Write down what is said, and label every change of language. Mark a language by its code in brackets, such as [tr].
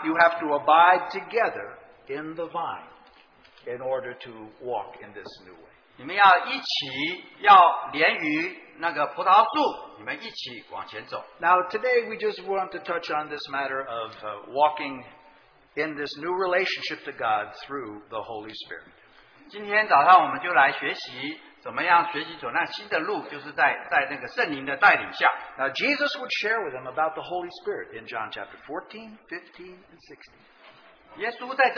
[en] you have to abide together in the vine. In order to walk in this new way. [zh] 你们要一起连于那个葡萄树,你们一起往前走。 [en] Now today we just want to touch on this matter of walking in this new relationship to God through the Holy Spirit. [zh] 今天早上我们就来学习怎么样学习走那新的路,就是在那个圣灵的带领下。 [en] Now Jesus would share with them about the Holy Spirit in John chapter 14, 15, and 16.